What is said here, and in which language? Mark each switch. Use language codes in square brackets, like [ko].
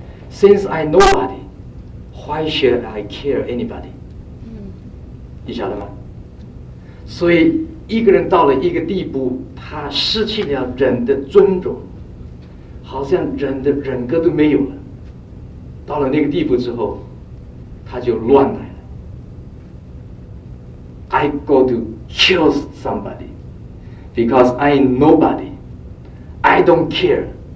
[en] Since I am nobody, why should I care anybody? [zh] 你晓得吗？所以一个人到了一个地步，他失去了人的尊重，好像人的人格都没有了。到了那个地步之后，他就乱来了。 [en] I go to kill somebody because I'm nobody, I don't care.